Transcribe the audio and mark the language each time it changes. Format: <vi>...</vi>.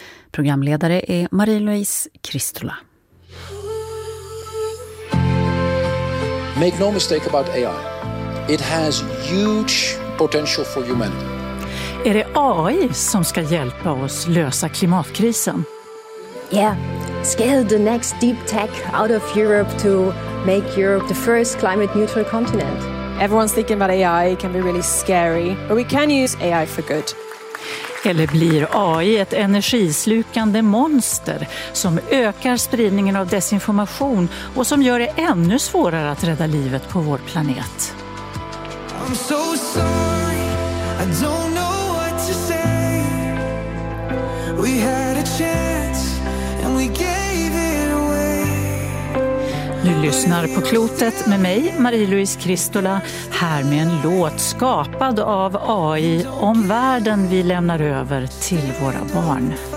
<sv>Programledare är Marie-Louise Kristola.</sv> <en>Make no mistake about AI. It has huge potential for humanity.</en> <sv>Är det AI som ska hjälpa oss lösa klimatkrisen?</sv> <en>Yeah, scale the next deep tech out of Europe to make Europe the first climate neutral continent. Everyone's thinking about AI can be really scary, but we can use AI for good.</en> <sv>Eller blir AI ett energislukande monster som ökar spridningen av desinformation och som gör det ännu svårare att rädda livet på vår planet?</sv> <en>I'm so sorry, I don't know what to say. We had a chance and we gave it away.</en> <sv>Nu lyssnar på Klotet med mig, Marie-Louise Kristola, här med en låt skapad av AI om världen vi lämnar över till våra barn.</sv>